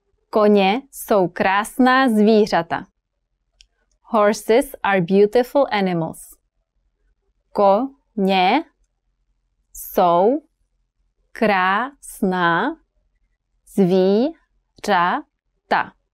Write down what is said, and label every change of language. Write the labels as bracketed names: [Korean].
[Czech] Koně jsou krásná zvířata. [English] Horses are beautiful animals. [Czech] Koně jsou krásná zvířata.